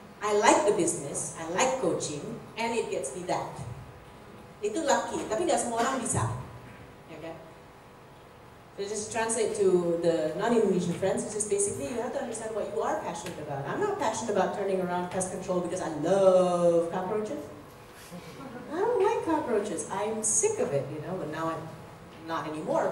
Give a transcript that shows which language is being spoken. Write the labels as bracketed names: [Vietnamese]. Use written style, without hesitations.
[English] I like the business, I like coaching, and it gets me that. [Indonesian] Itu lucky, tapi gak semua orang bisa. [English] Okay? So just translate to the non-Indonesian friends, which is basically you have to understand what you are passionate about. I'm not passionate about turning around pest control because I love cockroaches. I don't like cockroaches. I'm sick of it, you know, but now I'm not anymore.